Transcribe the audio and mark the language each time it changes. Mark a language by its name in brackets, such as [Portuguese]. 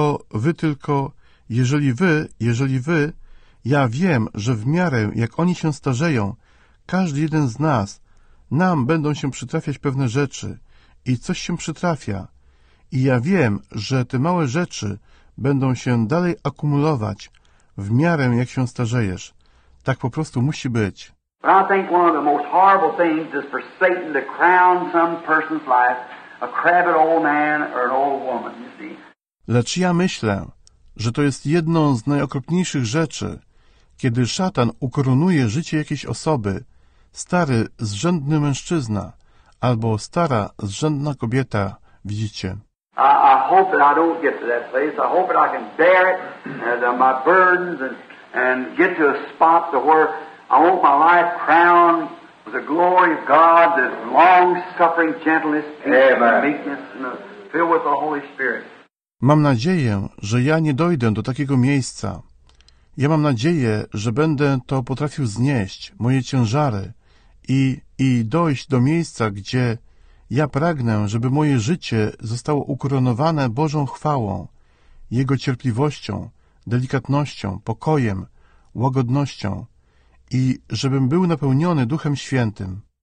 [Polish] Wy tylko, jeżeli wy, ja wiem, że w miarę, jak oni się starzeją, każdy jeden z nas, nam będą się przytrafiać pewne rzeczy i coś się przytrafia. I ja wiem, że te małe rzeczy będą się dalej akumulować w miarę, jak się starzejesz. Tak po prostu musi być. [English] But I think one of the most horrible things is for Satan to crown some person's life, a crabbed old man or an old woman, you see. [Polish] Lecz ja myślę, że to jest jedną z najokropniejszych rzeczy, kiedy szatan ukoronuje życie jakiejś osoby, stary, zrzędny mężczyzna albo stara, zrzędna kobieta, widzicie. [English] I hope that I don't get to that place. I hope that I can bear it and my burdens and get to a spot to where I want my life crowned with the glory of God, the long-suffering gentleness, peace, and meekness, and filled with the Holy Spirit. [Polish] Mam nadzieję, że ja nie dojdę do takiego miejsca. Ja mam nadzieję, że będę to potrafił znieść, moje ciężary, i dojść do miejsca, gdzie ja pragnę, żeby moje życie zostało ukoronowane Bożą chwałą, Jego cierpliwością, delikatnością, pokojem, łagodnością i żebym był napełniony Duchem Świętym.